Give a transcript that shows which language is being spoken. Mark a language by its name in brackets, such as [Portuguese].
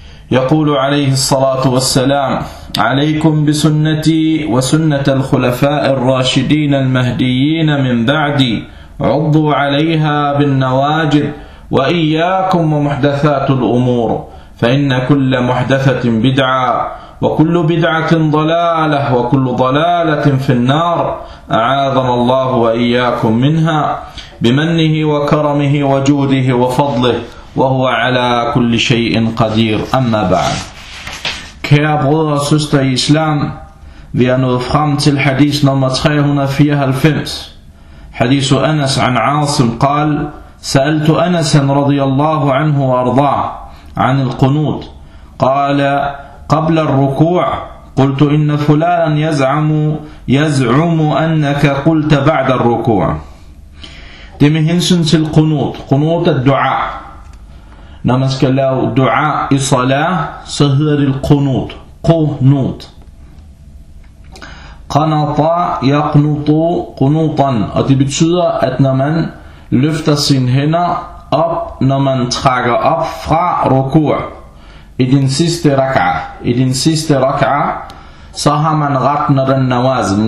[Arabic] يقول عليه الصلاة والسلام: عليكم بسنتي وسنة الخلفاء الراشدين المهديين من بعدي، عضوا عليها بالنواجذ، وإياكم ومحدثات الأمور، فإن كل محدثة بدعة، وكل بدعة ضلالة، وكل ضلالة في النار، أعاذنا الله وإياكم منها بمنه وكرمه وجوده وفضله، وهو على كل شيء قدير. أما بعد، [Danish] كيا برودر و سستر i islam, vi er nået frem til hadith nummer 394. [Arabic] Hadith Anas an Asim قال: سألت أنس رضي الله عنه وأرضاه عن القنوت قال: قبل الركوع قلت إن فلان يزعم أنك قلت بعد الركوع. [Danish] Det er med hensyn til qunut. Qunut er dua. Når man skal lave dua i salat, så hedder det qunut. Qunut. [Arabic] Qanata yaqnutu qunutan. [Danish] Og det betyder, at når man løfter sine hænder op, når man trækker op fra rukua, i din sidste rak'a, i din sidste rak'a, så har man ret, når den nawazil.